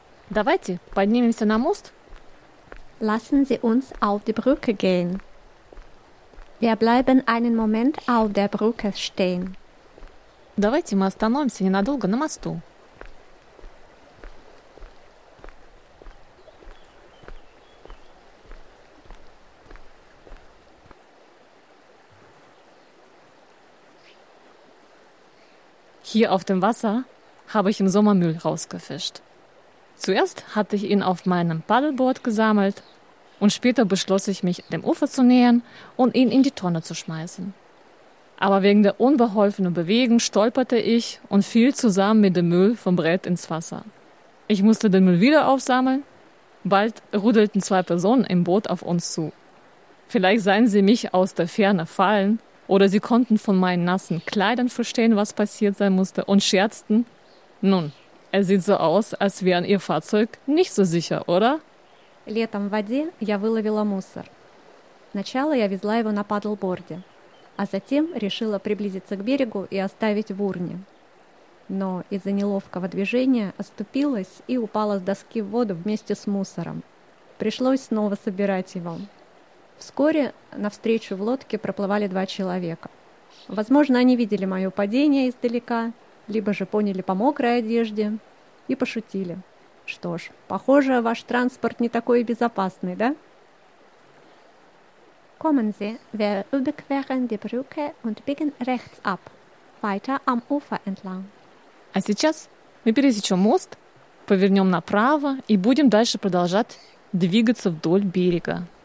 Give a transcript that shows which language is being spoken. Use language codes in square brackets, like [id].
[ru] Давайте поднимемся на мост. [de] Lassen Sie uns auf die Brücke gehen. Wir bleiben einen Moment auf der Brücke stehen. [ru] Давайте мы остановимся ненадолго на мосту. [de] Hier auf dem Wasser habe ich im Sommer Müll rausgefischt. Zuerst hatte ich ihn auf meinem Paddleboard gesammelt und später beschloss ich, mich dem Ufer zu nähern und ihn in die Tonne zu schmeißen. Aber wegen der unbeholfenen Bewegung stolperte ich und fiel zusammen mit dem Müll vom Brett ins Wasser. Ich musste den Müll wieder aufsammeln. Bald rudelten zwei Personen im Boot auf uns zu. Vielleicht sahen sie mich aus der Ferne fallen oder sie konnten von meinen nassen Kleidern verstehen, was passiert sein musste und scherzten. Nun, es sieht so aus, als wären ihr Fahrzeug nicht so sicher, oder? [ru] Летом в воде я выловила мусор. Сначала я везла его на паддлборде, а затем решила приблизиться к берегу и оставить в урне. Но из-за неловкого движения оступилась и упала с доски в воду вместе с мусором. Пришлось снова собирать его. Вскоре навстречу в лодке проплывали два человека. Возможно, они видели мое падение издалека, либо же поняли по мокрой одежде и пошутили. Что ж, похоже, ваш транспорт не такой безопасный, да? [de] Kommen Sie, wir überqueren die Brücke und biegen rechts ab, weiter am Ufer entlang. [ru] А сейчас мы пересечем мост, повернем направо и будем дальше продолжать двигаться вдоль берега.